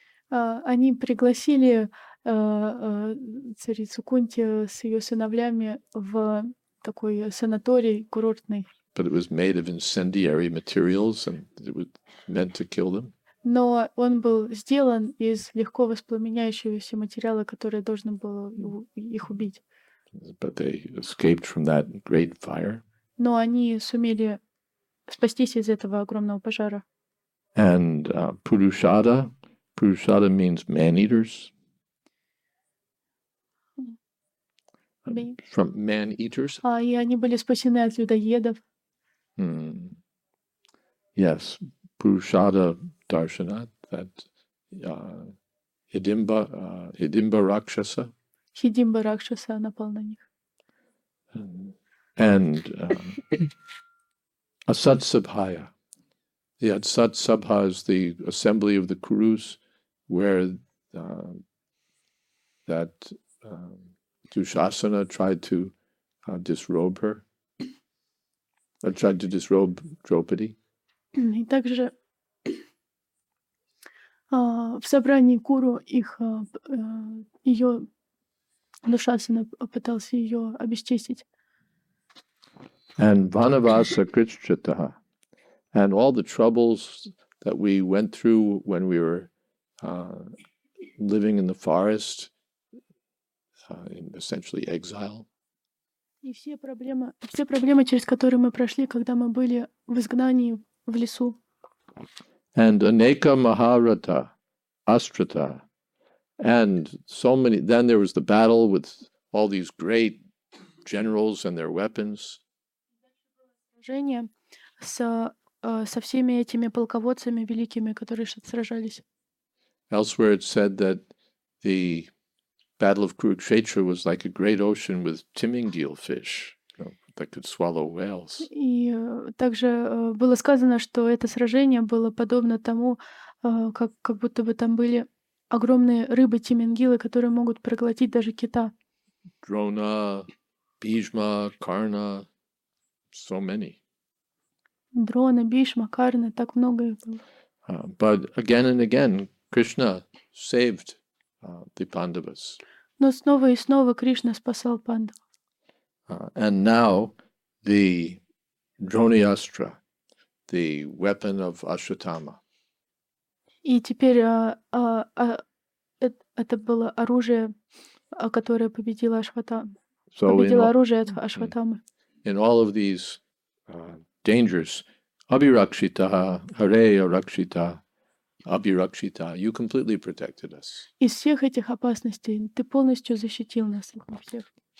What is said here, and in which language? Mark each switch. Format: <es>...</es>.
<ru>Они пригласили царицу Кунти с ее сыновьями в такой санаторий курортный.</ru> <en>But it was made of incendiary materials and it was meant to kill them.</en> <ru>Но он был сделан из легко воспламеняющегося материала, который должен был их убить.</ru> <en>But they escaped from that great fire.</en> <ru>Но они сумели спастись из этого огромного пожара.</ru> <en>And Purushada. Purushada means man-eaters. From man-eaters.</en> <ru>И они были спасены от людоедов.</ru> <en>Yes, Purushada Darshanat, that Hidimba, Hidimba Rakshasa.</en> <ru>Hidimba Rakshasa напал на них.</ru> <en>And Asat Sabhaya. The Asat Sabha is the assembly of the Kurus where that Dushasana tried to disrobe her. I tried to disrobe Draupadi.</en> <ru>И также в собрании Куру их ее Душасана пытался ее обесчестить.</ru> <en>And Vanavasa Krichchitaha. And all the troubles that we went through when we were living in the forest. In essentially exile.</en> <ru>И все проблемы, через которые мы прошли, когда мы были в изгнании в лесу.</ru> <en>And anaka maharata, astrata, and so many. Then there was the battle with all these great generals and their weapons.</en> <ru>Сражение со всеми этими полководцами великими, которые сражались.</ru> <en>Elsewhere it said that the battle of Kurukshetra was like a great ocean with Timingdeal fish, you know, that could swallow whales.</en> <ru>И также было сказано, что это сражение было подобно тому, как будто бы там были огромные рыбы-тимингилы, которые могут проглотить даже кита. Дрона, Бишма, Карна,</ru> <en>so many.</en> <ru>Дрона, Бишма, Карна, так много их было.</ru> <en>But again and again, Krishna saved the Pandavas.</en> <ru>Но снова и снова Кришна спасал Пандав.</ru> <en>And now the Droniastra, the weapon of Ashwatthama.</en> <ru>И теперь это было оружие, которое победило Ашватаму. So победило оружие от Ашватамы.</ru> <en>In all of these dangers, Abhirakshita, Hare Arakshita, Abhirakshita, you completely protected us.</en> <ru>Из всех этих опасностей ты полностью защитил нас от всех.</ru>